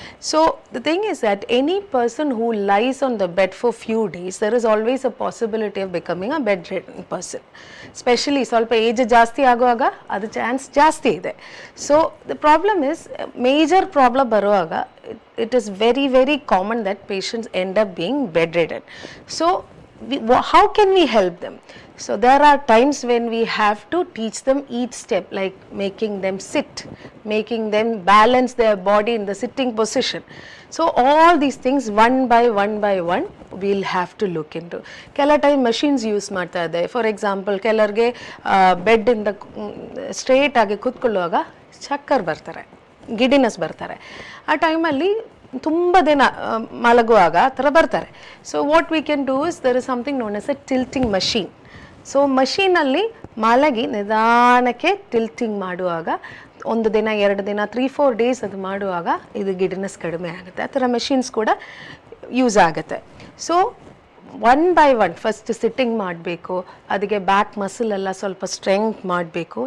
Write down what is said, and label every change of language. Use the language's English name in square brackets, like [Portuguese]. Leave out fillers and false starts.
[English] So the thing is that any person who lies on the bed for few days, there is always a possibility of becoming a bedridden person. [Kannada] Specially ಸ್ವಲ್ಪ age ಜಾಸ್ತಿ ಆಗುವಾಗ ಅದು chance ಜಾಸ್ತಿ ಇದೆ. [English] So the problem is, major problem ಬರುವಾಗ it is very very common that patients end up being bedridden. So how can we help them? So there are times when we have to teach them each step, like making them sit, making them balance their body in the sitting position. So all these things one by one by one we'll have to look into. [Kannada] Kela time machines use martta ide, for example kelarge bed in the straight age kutkolluvaga chakkar bartare, giddiness bartare, aa time alli ತುಂಬ ದಿನ ಮಲಗುವಾಗ ಆ ಥರ ಬರ್ತಾರೆ. [English] So what we can do is there is something known as a tilting machine. [Kannada] So ಮಷೀನಲ್ಲಿ ಮಲಗಿ ನಿಧಾನಕ್ಕೆ tilting ಮಾಡುವಾಗ ಒಂದು ದಿನ ಎರಡು ದಿನ 3-4 days ಅದು ಮಾಡುವಾಗ ಇದು ಗಿಡ್ನೆಸ್ ಕಡಿಮೆ ಆಗುತ್ತೆ. ಆ ಥರ ಮಷೀನ್ಸ್ ಕೂಡ ಯೂಸ್ ಆಗುತ್ತೆ. So one by one first sitting ಮಾಡಬೇಕು, ಅದಕ್ಕೆ ಬ್ಯಾಕ್ ಮಸಲ್ ಎಲ್ಲ ಸ್ವಲ್ಪ ಸ್ಟ್ರೆಂಗ್ತ್ ಮಾಡಬೇಕು.